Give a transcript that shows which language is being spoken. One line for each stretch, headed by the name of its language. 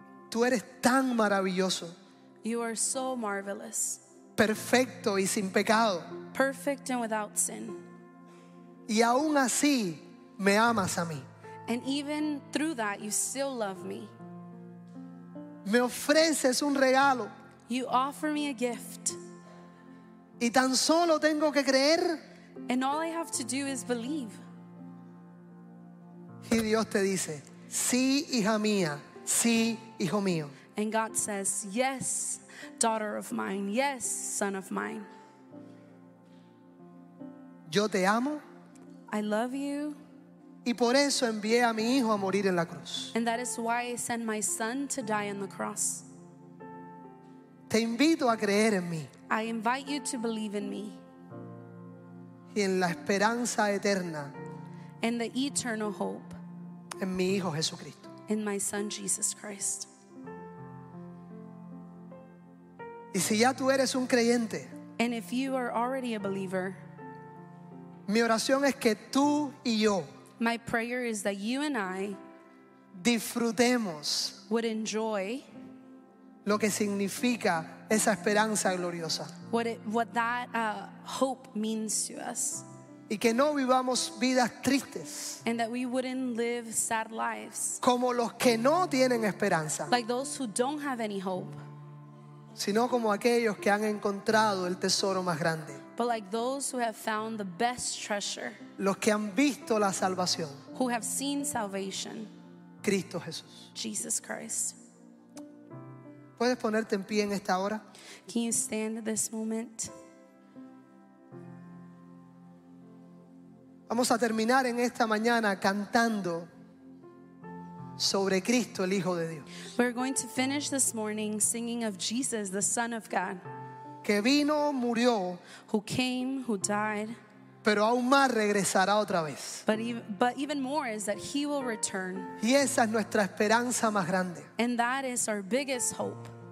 Spanish: Tú eres tan maravilloso.
English: You are so marvelous.
Spanish: Perfecto y sin pecado.
English: Perfect and without sin.
Spanish: Y aún así me amas a mí.
English: And even through that, you still love me.
Spanish: Me ofreces un regalo.
English: You offer me a gift.
Spanish: Y tan solo tengo que creer.
English: And all I have to do is believe.
Spanish: Y Dios te dice, sí, hija mía, sí, hijo mío.
English: And God says, yes, daughter of mine, yes, son of mine.
Spanish: Yo te amo.
English: I love you.
Spanish: Y por eso envié a mi hijo a morir en la cruz.
English: And that is why I sent my son to die on the cross.
Spanish: Te invito a creer en mí.
English: I invite you to believe in me.
Spanish: Y en la esperanza eterna.
English: And the eternal hope.
Spanish: En mi hijo Jesucristo.
English: In my son Jesus Christ.
Spanish: Y si ya tú eres un creyente.
English: And if you are already a believer.
Spanish: Mi oración es que tú y yo.
English: My prayer is that you and I.
Spanish: Disfrutemos.
English: Would enjoy.
Spanish: Lo que significa esa esperanza gloriosa.
English: What that hope means to us.
Spanish: Y que no vivamos vidas tristes.
English: And that we wouldn't live sad lives.
Spanish: Como los que no tienen esperanza.
English: Like those who don't have any hope.
Spanish: sino como aquellos que han encontrado el tesoro más grande.
English: But like those who have found the best treasure.
Spanish: Los que han visto la salvación.
English: Who have seen salvation.
Spanish: Cristo Jesús.
English: Jesus Christ.
Spanish: ¿Puedes ponerte en pie en esta hora?
English: Can you stand at this moment?
Spanish: Vamos a terminar en esta mañana cantando sobre Cristo, el Hijo de Dios.
English: We're going to finish this morning singing of Jesus, the Son of God.
Spanish: Que vino, murió.
English: Who came, who died.
Spanish: Pero aún más regresará otra vez.
English: But even more is that he will return.
Spanish: Y esa es nuestra esperanza más grande.
English: And that is our biggest hope.